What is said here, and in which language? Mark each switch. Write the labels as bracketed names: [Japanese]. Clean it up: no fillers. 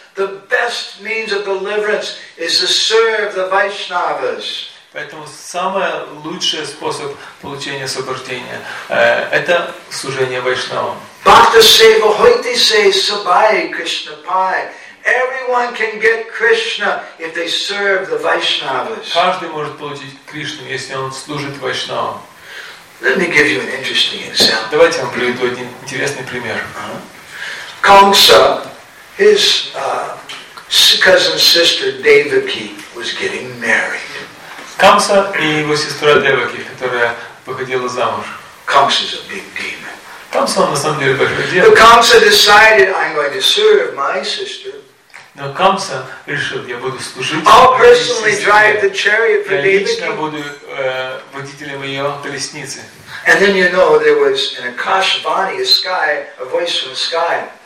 [English] The best means of deliverance is to serve the Vaishnavas. [Russian] Поэтому самый лучший способ получения освобождения это служение Вайшнавам. [Bangla] Bhakta Seva Hoiti Se Sabai Krishna Pai. [English] Everyone can get Krishna if they serve the Vaishnavas. [Russian] Каждый может получить Кришну, если он служит Вайшнавам. [English] Let me give you an interesting example. [Russian] Давайте я вам приведу один интересный пример. [English] Kamsa, his cousin sister Devaki was getting married. [Russian] Kamsa и его сестра Деваки, которая выходила замуж. [English] Kamsa is a big demon. [Russian] Kamsa на самом деле большой демон. [English] But Kamsa decided, I'm going to serve my sister. [Russian] Но Kamsa решил, я буду служить. [English] I'll personally drive the chariot for Devaki. [Russian] Я лично буду водителем ее колесницы. [English] And then you know there was an Akashvani, a sky, a voice from the sky.